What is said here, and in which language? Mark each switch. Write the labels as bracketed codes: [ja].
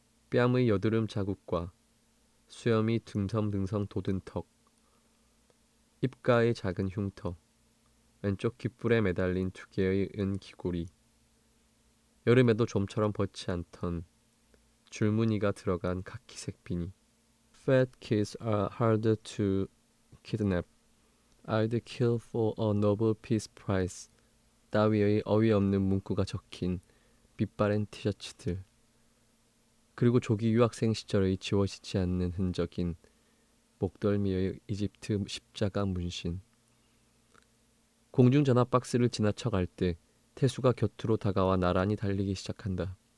[ko] 뺨의 여드름 자국과 수염이 듬성듬성 돋은 턱, 입가의 작은 흉터, 왼쪽 귓불에 매달린 두 개의 은 귀고리, 여름에도 좀처럼 벗지 않던 줄무늬가 들어간 카키색 비니. [en] Fat kids are harder to kidnap. I'd kill for a Nobel Peace Prize. [ko] 따위의 어이없는 문구가 적힌 빛바랜 티셔츠들. 그리고 조기 유학생 시절의 지워지지 않는 흔적인 목덜미의 이집트 십자가 문신. 공중전화 박스를 지나쳐갈 때 태수가 곁으로 다가와 나란히 달리기 시작한다.